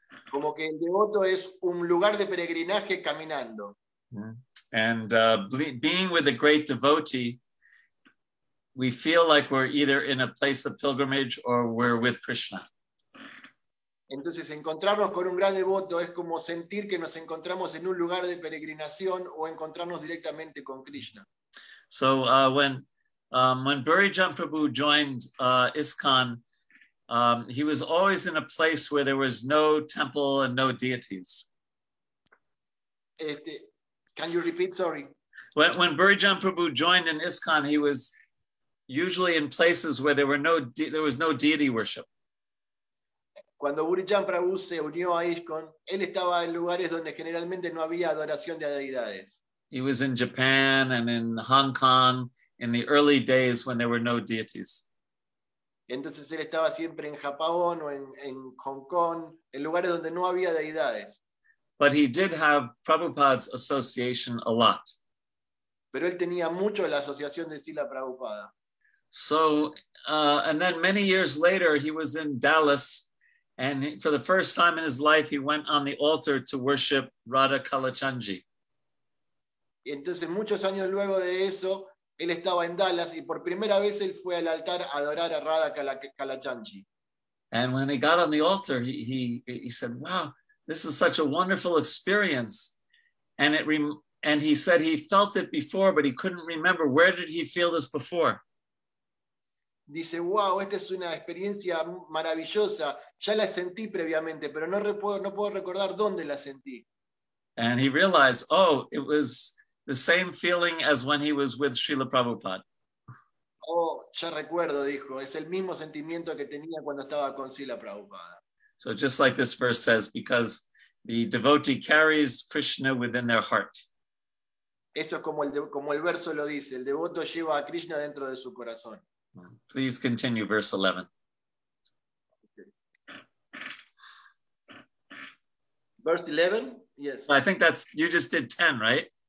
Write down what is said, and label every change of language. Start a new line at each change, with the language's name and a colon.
Spanish: Como que el devoto es un lugar de peregrinaje caminando.
English: And being with a great devotee, we feel like we're either in a place of pilgrimage or we're with Krishna.
Spanish: Entonces, encontrarnos con un gran devoto es como sentir que nos encontramos en un lugar de peregrinación o encontrarnos directamente con Krishna.
English: So when Burijan Prabhu joined ISKCON, he was always in a place where there was no temple and no deities. Can you repeat? Sorry. When Burijan Prabhu joined in ISKCON, he was usually in places where there was no deity worship.
Spanish: Cuando Burijan Prabhu se unió a ISKCON, él estaba en lugares donde generalmente no había adoración de deidades.
English: He was in Japan and in Hong Kong in the early days when there were no deities.
Spanish: Entonces él estaba siempre en Japón o en Hong Kong, en lugares donde no había deidades.
English: But he did have Prabhupada's association a lot.
Spanish: Pero él tenía mucho la asociación de Srila Prabhupada.
English: So, and then many years later, he was in Dallas, and for the first time in his life, he went on the altar to worship Radha Kalachanji.
Spanish: Entonces, muchos años luego de eso, él estaba en Dallas, y por primera vez él fue al altar a adorar a Radha Kalachanji.
English: And when he got on the altar, he said, wow, this is such a wonderful experience. And he said he felt it before, but he couldn't remember. Where did he feel this before?
Spanish: Dice, wow, esta es una experiencia maravillosa. Ya la sentí previamente, pero no puedo recordar dónde la sentí.
English: And he realized, oh, it was the same feeling as when he was with Srila Prabhupada.
Spanish: Oh, ya recuerdo, dijo. Es el mismo sentimiento que tenía cuando estaba con Srila Prabhupada.
English: So just like this verse says, because the devotee carries Krishna within their heart.
Spanish: Eso es como el verso lo dice. El devoto lleva a Krishna dentro de su corazón.
English: Please continue, verse 11. Verse 11? Yes. I think that's, you just did 10, right?